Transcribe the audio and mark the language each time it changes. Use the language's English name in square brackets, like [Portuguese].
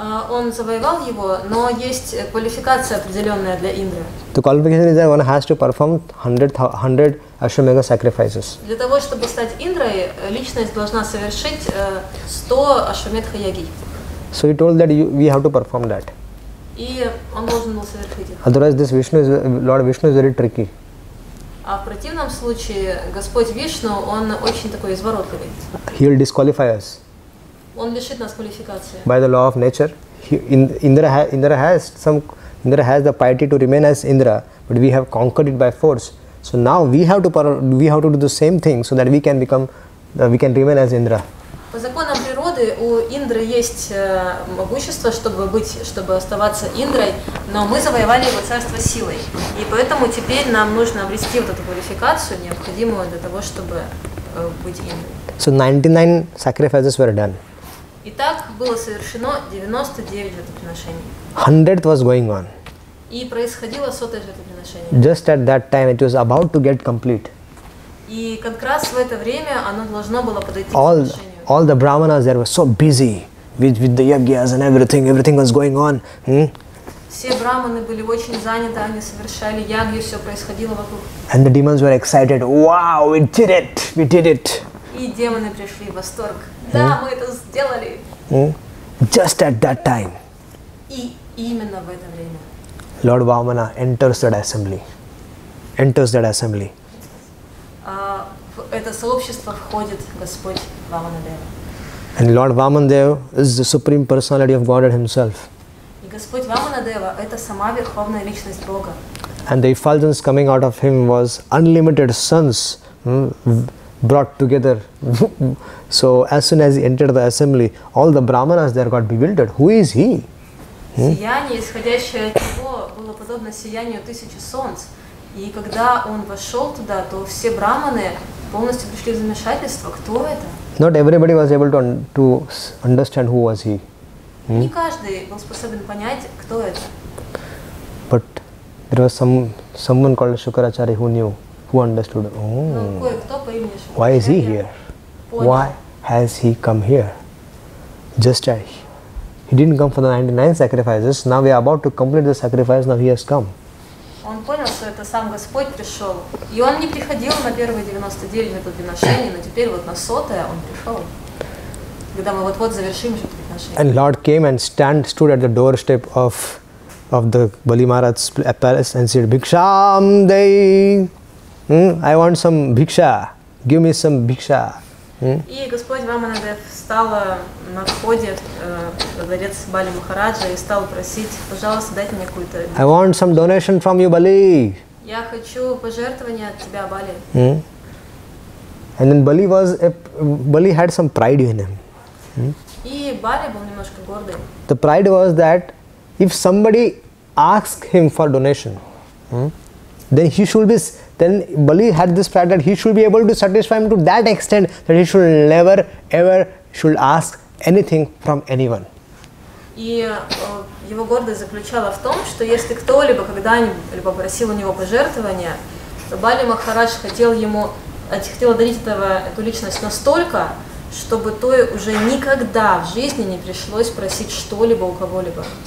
[Russian] Он завоевал его, но есть квалификация определенная для Индры. [English] The qualification is that one has to perform 100 Ashwamedha sacrifices. [Russian] Для того, чтобы стать Индрой, личность должна совершить 100 Ашвамедха яги. [English] So he told that we have to perform that. [Russian] И он должен был совершить это. [English] Otherwise, this Vishnu is, Lord Vishnu is very tricky. [Russian] А в противном случае, Господь Вишну, он очень такой изворотливый. [English] He will disqualify us. [Russian] Он лишит нас квалификации. [English] By the law of nature, Indra has the piety to remain as Indra, but we have conquered it by force. So now we have to do the same thing so that we can remain as Indra. [Russian] По законам природы у Индры есть могущество, чтобы оставаться Индрой, но мы завоевали его царство силой. И поэтому теперь нам нужно обрести вот эту квалификацию, необходимую для того, чтобы быть Индрой. [English] So 99 sacrifices were done. [Russian] Итак, было совершено 99 жертвоприношений. [English] 100th was going on. [Russian] И происходило 100-е жертвоприношение. [English] Just at that time it was about to get complete. [Russian] И как раз в это время оно должно было подойти к завершению. [English] All the brahmanas there were so busy with the yagyas and everything was going on. [Russian] Все брахманы были очень заняты, они совершали ягью, все происходило вокруг. [English] And the demons were excited. Wow, we did it! We did it! [Russian] И демоны пришли в восторг. Да, мы это сделали. [English] Just at that time. [Russian] И именно в это время. [English] Lord Vamana enters that assembly. [Russian] В это сообщество входит Господь Ваманадева. [English] And Lord Vamandev is the supreme personality of Godhead himself. [Russian] И Господь Ваманадева это сама верховная личность Бога. [English] And the effulgence coming out of him was unlimited suns. Brought together. So as soon as he entered the assembly, all the brahmanas there got bewildered. Who is he? [Russian] Сияние, исходящее от него, было подобно сиянию тысячи солнц. И когда он вошел туда, то все брахманы полностью пришли в замешательство. Кто это? [English] Not everybody was able to understand who was he. [Russian] Не каждый был способен понять, кто это. [English] But there was someone called Shukracharya who knew, who understood. [Russian] Oh. Кое-кто по имени Шукрачарья. [English] Why is he here? [Russian] Понял. [English] Why has he come here? Just as he didn't come for the 99 sacrifices. Now we are about to complete the sacrifice. Now he has come. [Russian] Он понял, что это сам Господь пришел. И он не приходил на первые 99 жертвоприношения, но теперь вот на сотое он пришел. Когда мы вот-вот завершим жертвоприношение. [English] And Lord came and stood at the doorstep of the Bali Maharaj's palace and said, Bhiksham Dei. I want some bhiksha. Give me some bhiksha. [Russian] И Господь Ваманадев встал на входе в дворец Бали Махараджа и стал просить, пожалуйста, дайте мне какую-то... [English] I want some donation from you, Bali. [Russian] Я хочу пожертвование от тебя, Бали. [English] And then Bali had some pride in him. [Russian] И Бали был немножко гордый. [English] The pride was that if somebody asked him for donation, then Bali had this pride that he should be able to satisfy him to that extent that he should never ever should ask anything from anyone. [Russian] И его гордость заключала в том, что если кто-либо когда-либо просил у него пожертвования, то Бали Махарадж хотел одарить эту личность настолько, чтобы той уже никогда в жизни не пришлось просить что-либо у кого-либо.